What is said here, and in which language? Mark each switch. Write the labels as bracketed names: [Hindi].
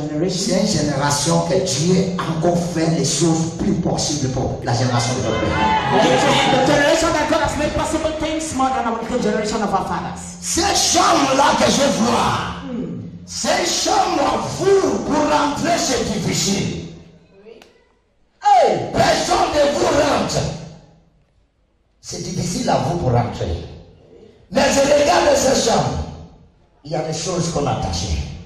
[French] génération, c'est une génération que Dieu a encore fait les choses plus possibles pour la génération de votre père. [English] The generation that God has made possible things more than the generation of our fathers. [French] Ces chambres-là que je vois, ces chambres à vous pour rentrer, c'est difficile. Personne ne vous rentre. C'est difficile à vous pour rentrer. Mais je regarde ces chambres, il y a des choses qu'on a attachées.